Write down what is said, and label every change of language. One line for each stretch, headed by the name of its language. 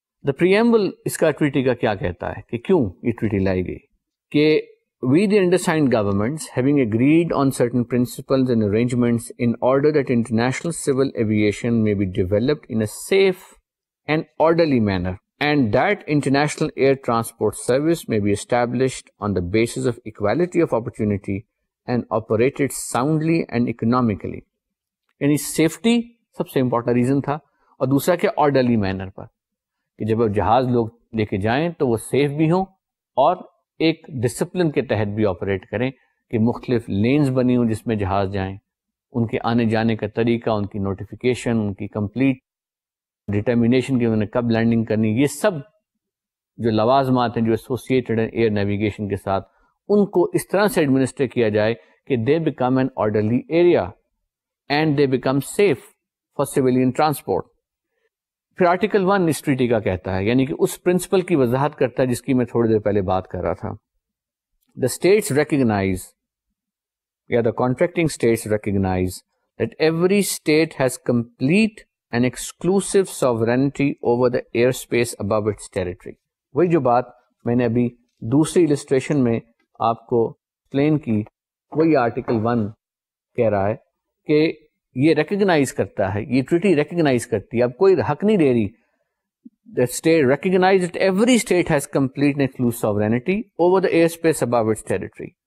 English: The preamble
Urdu: iska treaty ka kya kehta hai, ki kyun ye treaty lai gayi, ke
English: we the undersigned governments having agreed on certain principles and arrangements in order that international civil aviation may be developed in a safe and orderly manner and that international air transport service may be established on the basis of equality of opportunity and operated soundly and economically.
Urdu: یعنی safety سب سے important reason تھا اور دوسرا کہ orderly manner پر کہ جب جہاز لوگ لے کے جائیں تو وہ سیف بھی ہوں اور ایک ڈسپلن کے تحت بھی آپریٹ کریں کہ مختلف لینز بنی ہوں جس میں جہاز جائیں ان کے آنے جانے کا طریقہ ان کی نوٹیفیکیشن ان کی کمپلیٹ ڈیٹرمینیشن کہ انہوں نے کب لینڈنگ کرنی یہ سب جو لوازمات ہیں جو ایسوسیٹڈ ہیں ایئر نیویگیشن کے ساتھ ان کو اس طرح سے ایڈمنسٹر کیا جائے کہ
English: They become an orderly area and they become safe for civilian transport.
Urdu: پھر آرٹیکل 1 اس ٹریٹی کا کہتا ہے یعنی کہ اس پرنسپل کی وضاحت کرتا ہے جس کی میں تھوڑی دیر پہلے بات کر رہا تھا.
English: The states recognize, yeah, the contracting states recognize that every state has complete and exclusive sovereignty over the airspace above its territory.
Urdu: وہی جو بات میں نے ابھی دوسری illustration میں آپ کو explain کی وہی آرٹیکل 1 کہہ رہا ہے کہ یہ ریکگنائز کرتا ہے یہ ٹریٹی ریکگنائز کرتی ہے اب کوئی حق نہیں دے رہی.
English: The state recognize that every state has complete and exclusive sovereignty over the airspace above its territory.